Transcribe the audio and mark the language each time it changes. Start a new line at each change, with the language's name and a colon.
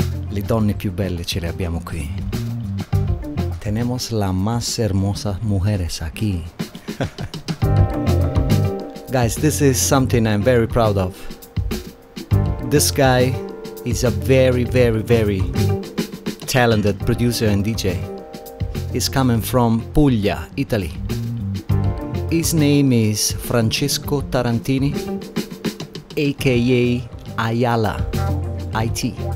Italian: Le donne più belle ce le abbiamo qui.
Spanish: Tenemos las más hermosas mujeres aquí.
English: Guys, this is something I'm very proud of. This guy is a very, very, very talented producer and DJ. Is coming from Puglia, Italy. His name is Francesco Tarantini, aka Ayala, IT.